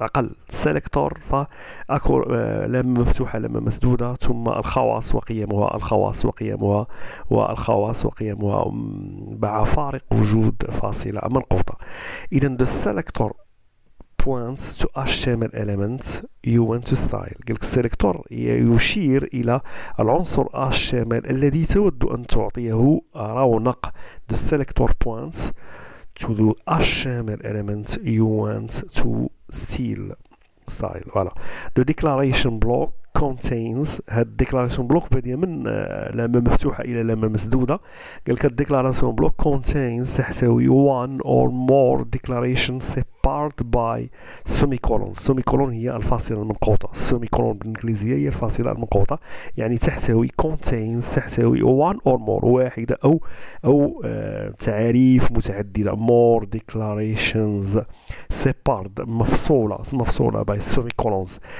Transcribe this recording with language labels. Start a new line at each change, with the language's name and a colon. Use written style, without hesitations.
Arabic: أقل سيلكتور فأكو لامة مفتوحة لامة مسدودة، ثم الخواص وقيمها، الخواص وقيمها، والخواص وقيمها مع فارق وجود فاصلة منقوطة.
English: إذن the selector points to HTML element you want to style.
Arabic: قلك السيلكتور يشير إلى العنصر HTML الذي تود أن تعطيه رونق.
English: The selector points to the HTML element you want to style.
French: Voilà.
English: The declaration block contains
Arabic: هاد declaration block بدي من لامة مفتوحة إلى لامة مسدودة.
English: قلك declaration block contains تحتوي one or more declarations part by semicolon.
Arabic: semicolon هي الفاصلة المنقوطة، semicolon بالإنجليزية هي الفاصلة المنقوطة، يعني تحتوي contains تحتوي
English: one or more
Arabic: واحدة أو تعريف متعددة،
English: more declarations separate
Arabic: مفصولة
English: by semicolons.